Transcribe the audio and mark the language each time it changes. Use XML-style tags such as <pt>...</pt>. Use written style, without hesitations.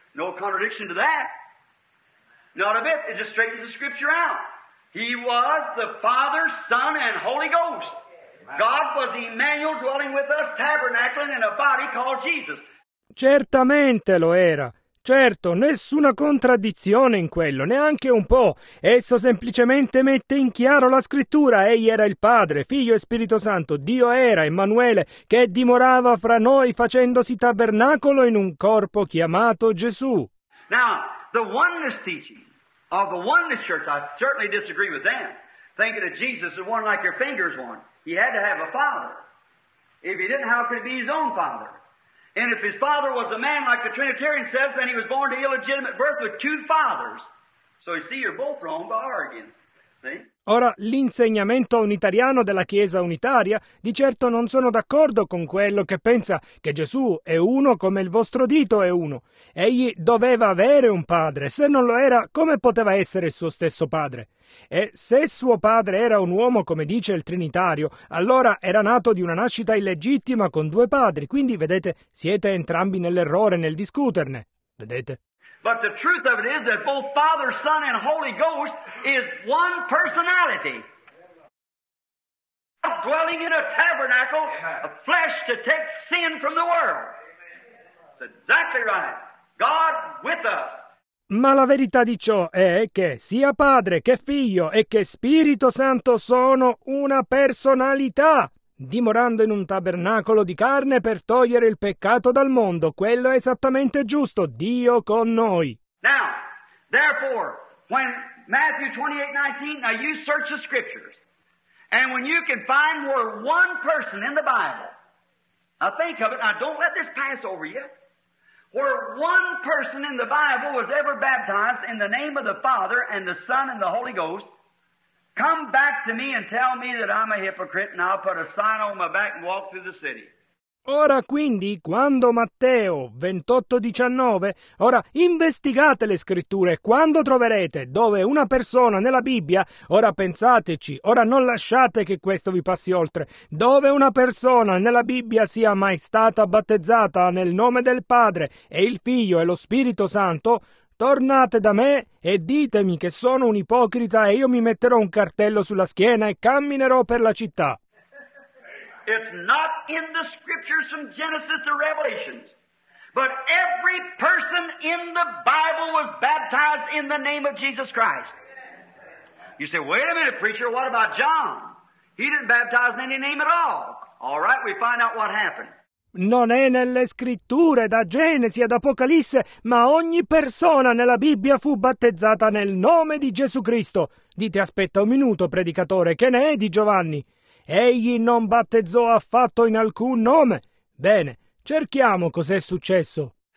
<en>No contradiction to that. Not a bit. It just straightens the scripture out. He was the Father, Son, and Holy Ghost. God was Emmanuel dwelling with us, tabernacling in a body called Jesus.</en> <it>Certamente lo era. Certo, nessuna contraddizione in quello, neanche un po'. Esso semplicemente mette in chiaro la scrittura. Egli era il Padre, Figlio e Spirito Santo. Dio era Emmanuele, che dimorava fra noi facendosi tabernacolo in un corpo chiamato Gesù.</it> <en>Now, the oneness teaching of the oneness church, I certainly disagree with them. Thinking that Jesus is one like your fingers one. He had to have a father. If he didn't, how could he be his own father? And if his father was a man, like the Trinitarian says, then he was born to illegitimate birth with two fathers. So you see, you're both wrong by arguing.</en> <it>Ora, l'insegnamento unitariano della Chiesa Unitaria, di certo non sono d'accordo con quello che pensa che Gesù è uno come il vostro dito è uno. Egli doveva avere un padre. Se non lo era, come poteva essere il suo stesso padre? E se suo padre era un uomo, come dice il Trinitario, allora era nato di una nascita illegittima con due padri. Quindi, vedete, siete entrambi nell'errore nel discuterne. Vedete?</it> <en>But the truth of it is that both Father, Son, and Holy Ghost is one personality. Amen. Dwelling in a tabernacle, a flesh to take sin from the world. Amen. It's exactly right. God with us.</en> <it>Ma la verità di ciò è che sia Padre che Figlio e che Spirito Santo sono una personalità, dimorando in un tabernacolo di carne per togliere il peccato dal mondo. Quello è esattamente giusto, Dio con noi.</it> <en>Now, therefore, when Matthew 28:19, now you search the scriptures, and when you can find more one person in the Bible, now think of it, now don't let this pass over you, where one person in the Bible was ever baptized in the name of the Father and the Son and the Holy Ghost, come back to me and tell me that I'm a hypocrite and I'll put a sign on my back and walk through the city.</en> <it>Ora quindi, quando Matteo 28:19, ora investigate le scritture, quando troverete dove una persona nella Bibbia, ora pensateci, ora non lasciate che questo vi passi oltre, dove una persona nella Bibbia sia mai stata battezzata nel nome del Padre e il Figlio e lo Spirito Santo, tornate da me e ditemi che sono un ipocrita e io mi metterò un cartello sulla schiena e camminerò per la città.</it> <en>It's not in the scriptures from Genesis to Revelation, but every person in the Bible was baptized in the name of Jesus Christ. You say, wait a minute, preacher, what about John? He didn't baptize in any name at all. All right, we find out what happened.</en> <it>Non è nelle scritture, da Genesi ad Apocalisse, ma ogni persona nella Bibbia fu battezzata nel nome di Gesù Cristo. Dite, aspetta un minuto, predicatore, che ne è di Giovanni? Egli non battezzò affatto in alcun nome. Bene, cerchiamo cos'è successo.</it>